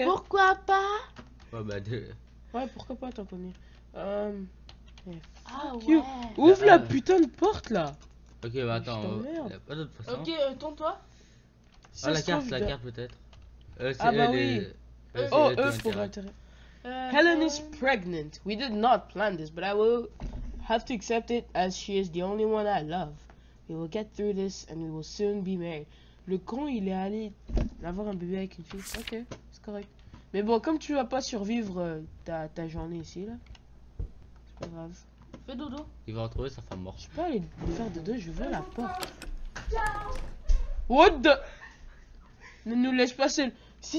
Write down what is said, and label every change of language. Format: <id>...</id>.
<fr>Pourquoi pas? Ouais, bah deux. Ouais, pourquoi pas, t'en connais. Ah ouais. Ouvre la putain de porte là. Ok, bah attends. Y'a pas d'autre façon. Ok, tourne-toi. Ça ah, la carte, trouve, la carte peut-être. C'est ah, bah oui. Pour intérêt.</fr> <en>Helen is pregnant. We did not plan this, but I will have to accept it as she is the only one I love. We will get through this and we will soon be married.</en> <fr>Le con, il est allé avoir un bébé avec une fille. Ok, c'est correct. Mais bon, comme tu vas pas survivre ta journée ici, là, c'est pas grave. Fais dodo. Il va retrouver sa femme morte. Je peux aller faire dodo, je veux la porte.</fr> <en>What the.</en> <fr>Ne nous laisse pas seul. Si</fr>